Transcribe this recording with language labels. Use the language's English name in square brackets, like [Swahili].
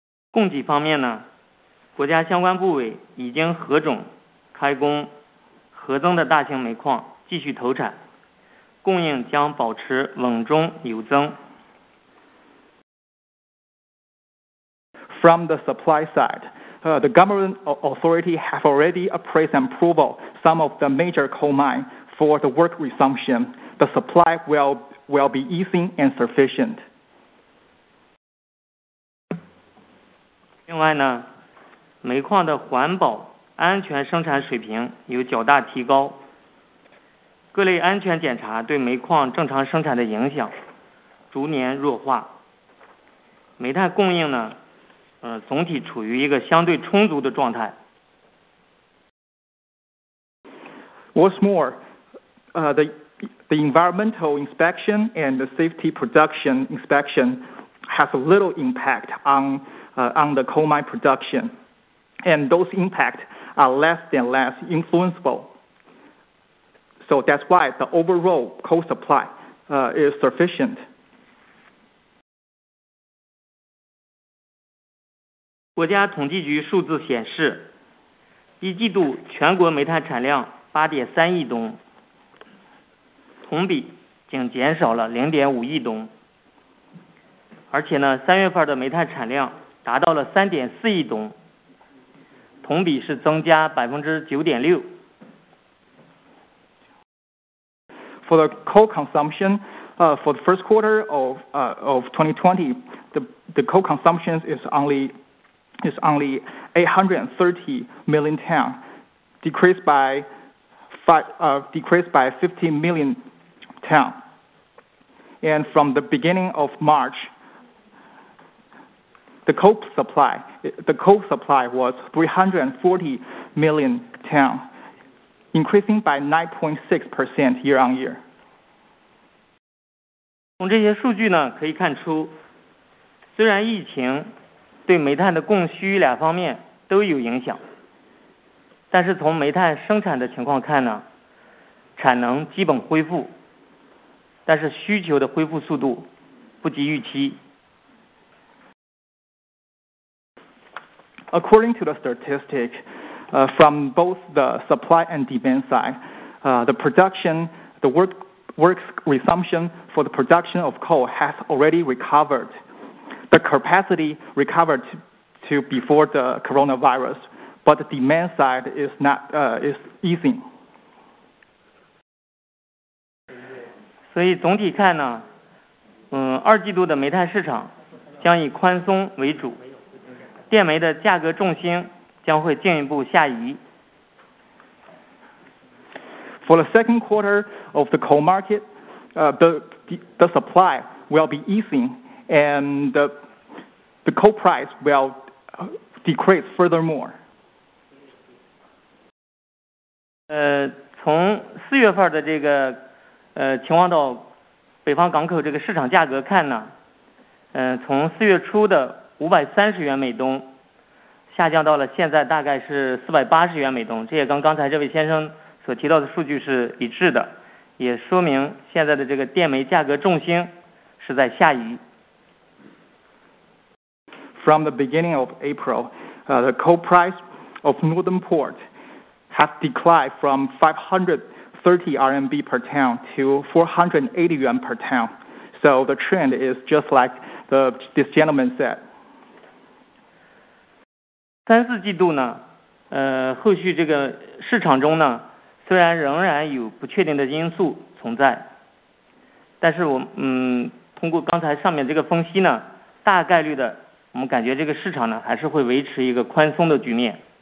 [Chinese] 供给方面呢，国家相关部委已经核准开工核增的大型煤矿继续投产，供应将保持稳中有增。 [English] From the supply side, the government authority have already appraised and approval some of the major coal mine for the work resumption. The supply will be easing and sufficient. [Chinese] 另外呢，煤矿的环保安全生产水平有较大提高，各类安全检查对煤矿正常生产的影响逐年弱化，煤炭供应呢，总体处于一个相对充足的状态。 [English] What's more, the environmental inspection and the safety production inspection has a little impact on the coal mine production, and those impacts are less than less influenceable. So that's why the overall coal supply is sufficient. [Chinese] 国家统计局数字显示，一季度全国煤炭产量8.3亿吨。同比仅减少了0.5亿吨，而且呢，三月份的煤炭产量达到了3.4亿吨，同比是增加9.6%。 [English] For the coal consumption, for the first quarter of 2020, the coal consumption is only 830 million tons, decreased by 50 million. town. And from the beginning of March, the coal supply was 340 million ton, increasing by 9.6% year on year. [Chinese] 从这些数据呢可以看出，虽然疫情对煤炭的供需两方面都有影响，但是从煤炭生产的情况看呢，产能基本恢复，但是需求的恢复速度不及预期。 [English] According to the statistic, from both the supply and demand side, the production, the work resumption for the production of coal has already recovered. The capacity recovered to before the coronavirus, but the demand side is not is easing. [Chinese] 所以总体看呢，二季度的煤炭市场将以宽松为主，电煤的价格重心将会进一步下移。 [English] For the second quarter of the coal market, the supply will be easing, and the coal price will decrease furthermore. [Chinese] 从四月份的这个。情况到北方港口这个市场价格看呢，从四月初的530元每吨下降到了现在大概是480元每吨，这也跟刚才这位先生所提到的数据是一致的，也说明现在的这个电煤价格重心是在下移。 [English] From the beginning of April, the coal price of Northern Port has declined from 530 RMB per ton to 480 yuan per ton. So the trend is just like this gentleman said. [Chinese] 三四季度呢，后续这个市场中呢，虽然仍然有不确定的因素存在，但是我通过刚才上面这个分析呢，大概率的我们感觉这个市场呢还是会维持一个宽松的局面。